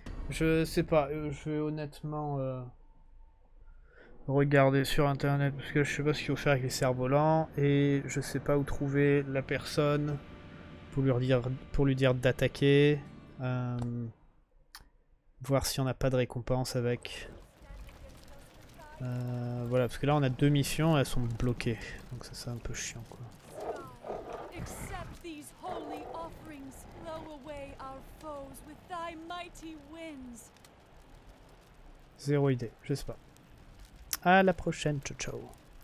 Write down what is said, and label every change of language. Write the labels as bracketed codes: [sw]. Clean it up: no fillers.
[fr] Je sais pas, je vais honnêtement regarder sur internet parce que je sais pas ce qu'il faut faire avec les cerfs-volants et je sais pas où trouver la personne pour lui dire d'attaquer. Voir si on n'a pas de récompense avec. Voilà, parce que là on a deux missions et elles sont bloquées. Donc ça c'est un peu chiant quoi. [en] Accept these holy offerings, blow away our foes with thy mighty winds. [fr] Zéro idée, je sais pas. À la prochaine, ciao ciao.